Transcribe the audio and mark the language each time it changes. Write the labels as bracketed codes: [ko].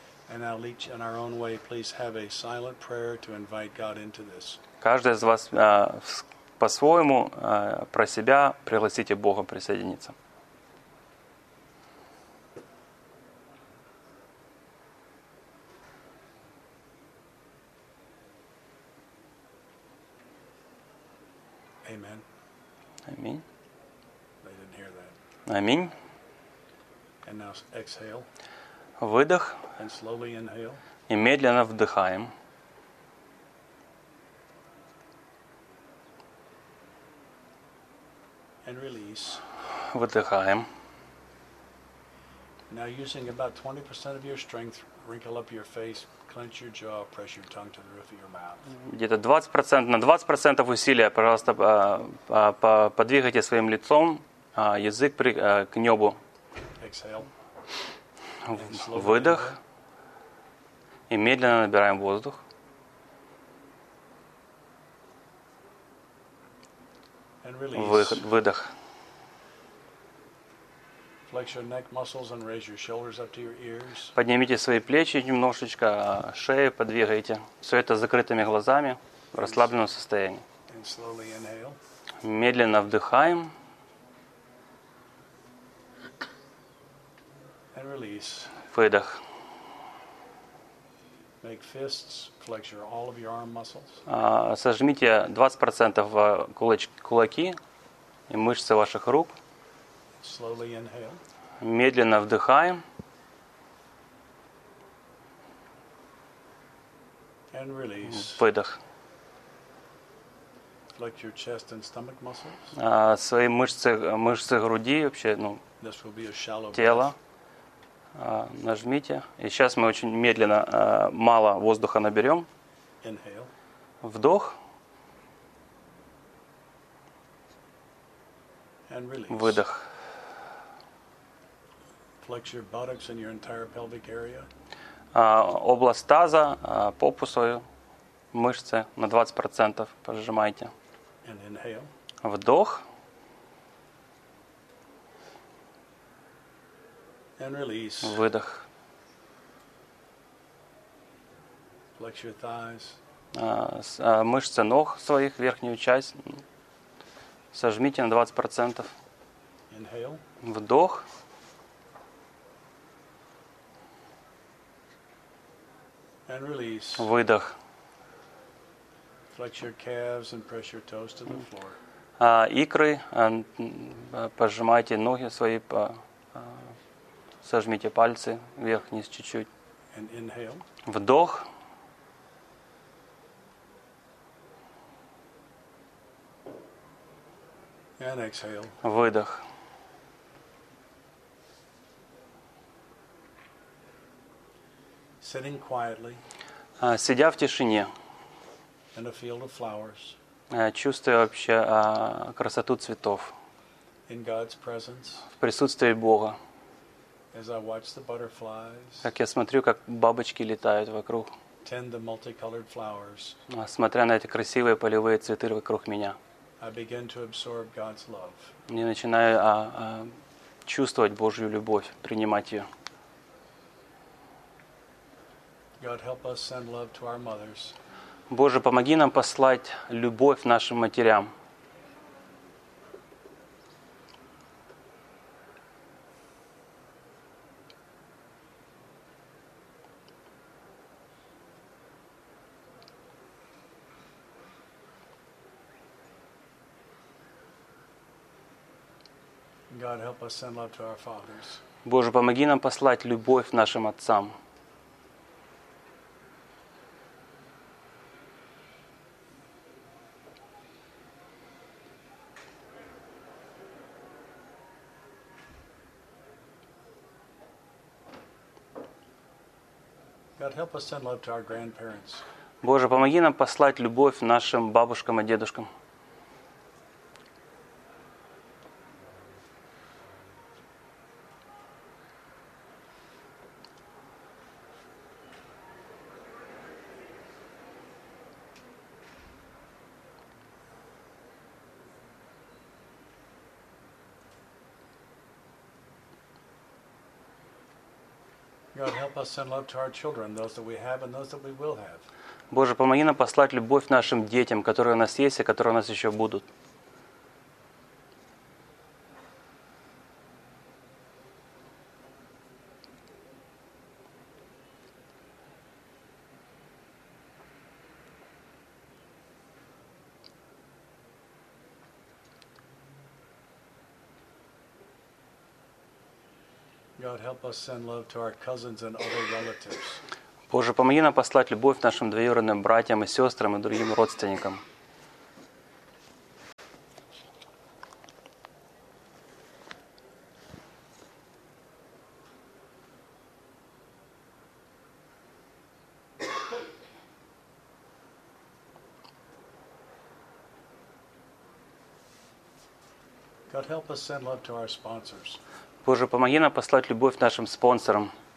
[en] And now each in our own way, please have a silent prayer to invite God into this. [ru] Каждый из вас по-своему про себя пригласите Бога присоединиться. [en] Amen. [ru] Аминь. [en] They didn't hear that. [ru] Аминь. [en] And now exhale. [ru] Выдох. [en] And slowly inhale. [ru] И медленно вдыхаем. [en] And release. [ru] Выдыхаем. [en] Now using about 20% of your strength, wrinkle up your face, clench your jaw, press your tongue to the roof of your mouth. [ru] Где-то 20%, на 20% усилия, пожалуйста, подвигайте своим лицом, язык к небу. [en] Exhale. [ru] Выдох. И медленно набираем воздух. Выдох. [en] Flex your neck muscles and raise your shoulders up to your ears. [ru] Поднимите свои плечи немножечко, шею подвигайте. Все это с закрытыми глазами, в расслабленном состоянии. [en] And slowly inhale. [ru] Медленно вдыхаем. [en] And release. [ru] Выдох. [en] Make fists, flex your, all of your arm muscles. [ru] Сожмите 20% кулаки и мышцы ваших рук. [en] Slowly inhale. [ru] Медленно вдыхаем. [en] And release. [ru] Выдох. [en] Flex your chest and stomach muscles. [ru] Свои мышцы груди, вообще, ну, [en] this will be a shallow [ru] тело. Нажмите. И сейчас мы очень медленно, мало воздуха наберем. [en] Inhale. [ru] Вдох. [en] And release. [ru] Выдох. [en] Flex your buttocks and your entire pelvic area. [ru] Область таза, попу свою, мышцы на 20% прожимайте. [en] And inhale. [ru] Вдох. [en] And release. [ru] Выдох. [en] Flex your thighs. [ru] Мышцы ног своих, верхнюю часть, сожмите на 20%. [en] Inhale. [ru] Вдох. [en] And release. [ru] Выдох. [en] Flex your calves and press your toes to the floor. [ru] Икры, пожимайте ноги свои, сожмите пальцы вверх-вниз чуть-чуть. [en] And inhale. [ru] Вдох. [en] And exhale. [ru] Выдох. [en] Sitting quietly. [ru] Сидя в тишине. [en] In a field of flowers. [ru] Чувствуя вообще красоту цветов. [en] In God's presence. [ru] В присутствии Бога. [en] As I watch the butterflies, [ru] как я смотрю, как бабочки летают вокруг. [en] Tend the multicolored flowers, [ru] смотря на эти красивые полевые цветы вокруг меня. [en] I begin to absorb God's love. [ru] Я начинаю чувствовать Божью любовь, принимать ее. [en] God help us send love to our mothers. [ru] Боже, помоги нам послать любовь нашим матерям. [en] God help us send love to our fathers. [ru] Боже, помоги нам послать любовь нашим отцам. [en] God help us send love to our grandparents. [ru] Боже, помоги нам послать любовь нашим бабушкам и дедушкам. [en] God, help us send love to our children, those that we have and those that we will have. [ru] Боже, помоги нам послать любовь нашим детям, которые у нас есть и которые у нас еще будут. [en] God, help us send love to our cousins and other relatives. [ru] Боже, помоги нам послать любовь нашим двоюродным братьям и сестрам и другим родственникам. [en] God, help us send love to our sponsors. [ru] Боже, помоги нам послать любовь нашим спонсорам.